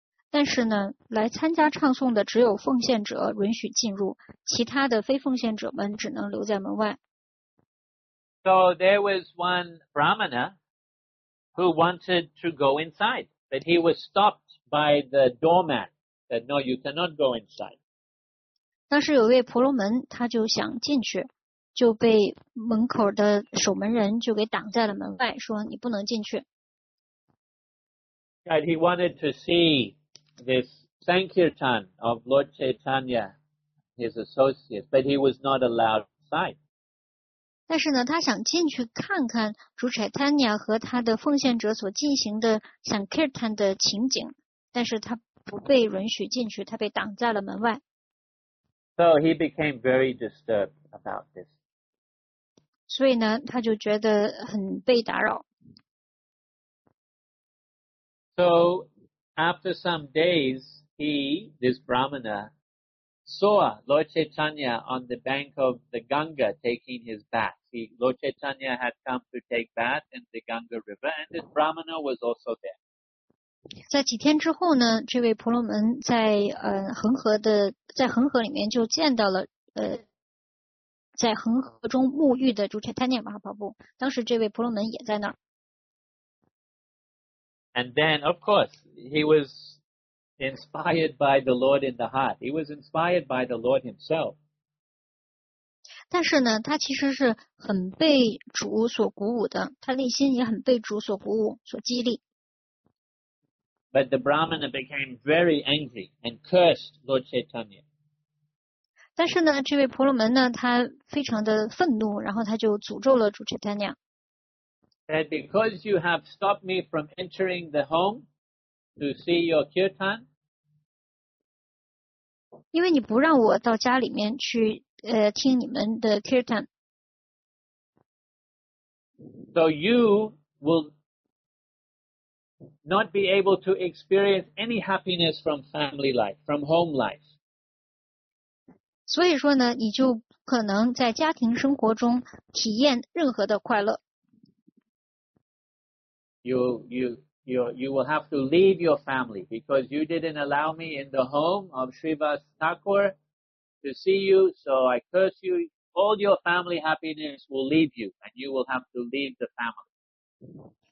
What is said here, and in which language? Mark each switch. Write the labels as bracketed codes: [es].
[zh] 但是呢，来参加唱诵的只有奉献者允许进入，其他的非奉献者们只能留在门外。 [en] So there was one Brahmana who wanted to go inside, but he was stopped by the doorman. Said, "No, you cannot go inside." [zh] 当时有位婆罗门，他就想进去，就被门口的守门人就给挡在了门外，说你不能进去。 [en] Right, he wanted to see. This Sankirtan of Lord Chaitanya, his associates, but he was not allowed inside. [zh] 但是呢，他想进去看看主 Chaitanya 和他的奉献者所进行的 Sankirtan 的情景，但是他不被允许进去，他被挡在了门外。 [en] So he became very disturbed about this. [zh] 所以呢，他就觉得很被打扰。 [en] So. After some days, this Brahmana, saw Lord Chaitanya on the bank of the Ganga taking his bath. Lord Chaitanya had come to take bath in the Ganga River, and this Brahmana was also there. [zh] 在几天之后呢，这位婆罗门在恒河里面就见到了在恒河中沐浴的主 Chaitanya Mahaprabhu。当时这位婆罗门也在那儿。 [en] And then, of course, he was inspired by the Lord in the heart. He was inspired by the Lord himself. [zh] 但是呢，他其实是很被主所鼓舞的，他内心也很被主所鼓舞，所激励。 [en] But the Brahmana became very angry and cursed Lord Chaitanya. [zh] 但是呢，这位婆罗门呢，他非常的愤怒，然后他就诅咒了主 Chaitanya。 [en] That because you have stopped me from entering the home to see your kirtan, [zh] 因为你不让我到家里面去听你们的 kirtan, [en] so you will not be able to experience any happiness from family life, from home life. [zh] 所以说呢，你就不可能在家庭生活中体验任何的快乐。 [en] You will have to leave your family because you didn't allow me in the home of Srivas Thakur to see you, so I curse you. All your family happiness will leave you, and you will have to leave the family.